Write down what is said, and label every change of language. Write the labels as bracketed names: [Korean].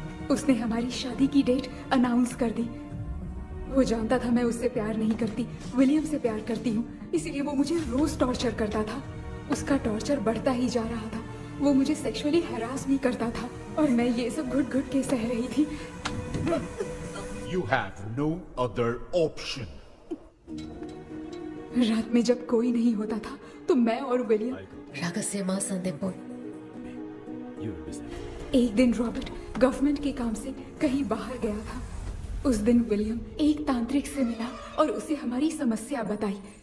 [Hindi] उसने हमारी शादी की डेट अनाउंस कर दी। वो जानता था मैं उससे प्यार नहीं करती, विलियम से प्यार करती हूँ, इसीलिए वो मुझे रोज टॉर्चर करता था। उसका टॉर्चर बढ़ता ही जा रहा था, वो मुझे सेक्सुअली हरास भी करता था, और मैं ये सब घुट घुट के सह रही थी। [English] You have no other option. [Hindi] रात में जब कोई नहीं होता था तो मैं और विलियम रागस्य मां संदीप बोल। एक दिन रॉबर्ट गवर्नमेंट के काम से कहीं बाहर गया था। उस दिन विलियम एक तांत्रिक से मिला और उसे हमारी समस्या बताई।